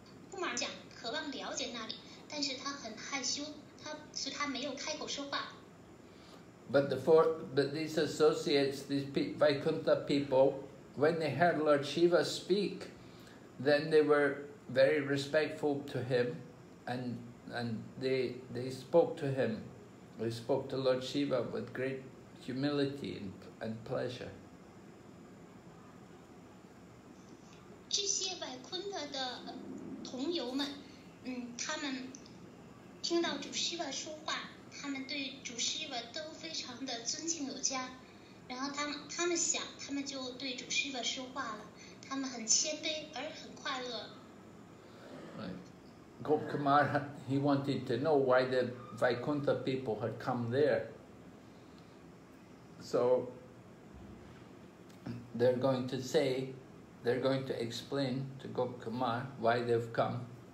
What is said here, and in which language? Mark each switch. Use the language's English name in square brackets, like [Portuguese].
[Chinese] 库玛讲渴望了解那里，但是他很害羞，所以他没有开口说话。 [English] But these associates, these Vaikuntha people, when they heard Lord Shiva speak, then they were very respectful to him, and they spoke to him. They spoke to Lord Shiva with great humility and pleasure. [Chinese] 这些百昆特的同游们，他们听到主师傅说话，他们对主师傅都非常的尊敬有加。然后他们想，他们就对主师傅说话了，他们很谦卑而很快乐。 [English] Right. Gop Kumar, he wanted to know why the Vaikuntha people had come there. So they're going to say. They're going to explain to Gop Kumar why they've come.